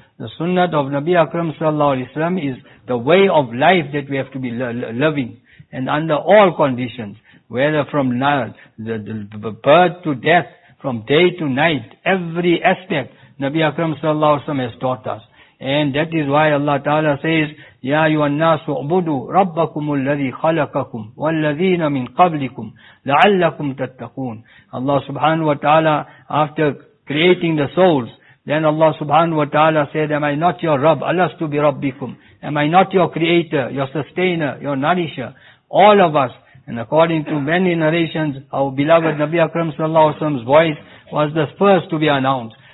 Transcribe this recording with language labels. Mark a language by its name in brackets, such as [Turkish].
[English] The sunnah of Nabi Akram Sallallahu Alaihi Wasallam is the way of life that we have to be living. And under all conditions, whether from birth to death, from day to night, every aspect Nabi Akram Sallallahu Alaihi Wasallam has taught us. And that is why Allah Ta'ala says, [Arabic] يَا أَيُّهَا النَّاسُ اعْبُدُوا رَبَّكُمُ الَّذِي خَلَقَكُمْ وَالَّذِينَ مِنْ قَبْلِكُمْ لَعَلَّكُمْ تَتَّقُونَ. [English] Allah Subhanahu Wa Ta'ala, after creating the souls, then Allah Subhanahu Wa Ta'ala said, am I not your Rabb? [Arabic] أَلَسْتُ بِرَبِّكُمْ. [English] Am I not your creator, your sustainer, your nourisher? All of us, and according to many narrations, our beloved Nabi Akram Sallallahu Alaihi Wasallam's voice was the first to be announced.